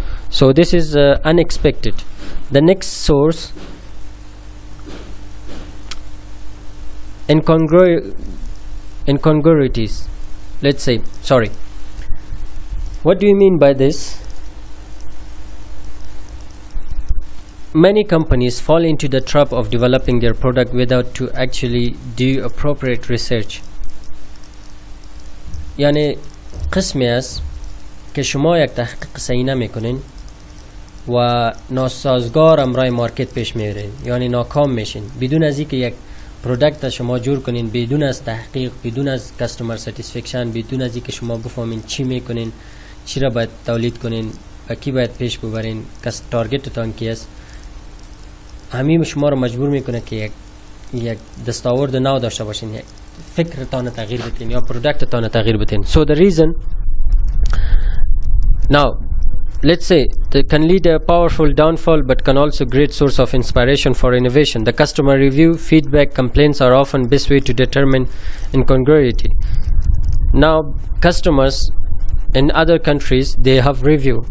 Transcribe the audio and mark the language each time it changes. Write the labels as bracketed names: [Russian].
[English] So this is unexpected. The next source, incongruities, let's say, sorry. What do you mean by this? Many companies fall into the trap of developing their product without to actually do appropriate research. [Persian] یعنی قسمی است که شما یک تحقیق صحیح نمی‌کنین و ناسازگار امرای مارکت پیش می‌برین، یعنی ناکام میشین بدون از اینکه یک پروداکت شما جور کنین، بدون از تحقیق، بدون از کاستمر ساتیسفیکشن، بدون از اینکه شما بفهمین چی می‌کنین، چی را باید تولید کنین و کی باید پیش ببرین، کس تارگتتان کی است، همین شما را مجبور میکنه که یک دستاورد نو داشته باشین، فکرتان تغییر بدین یا پروداکتتان تغییر بدین. [English] So the reason now, let's say they can lead a powerful downfall but can also great source of inspiration for innovation. The customer review, feedback, complaints are often best way to determine incongruity. Now customers in other countries, they have review.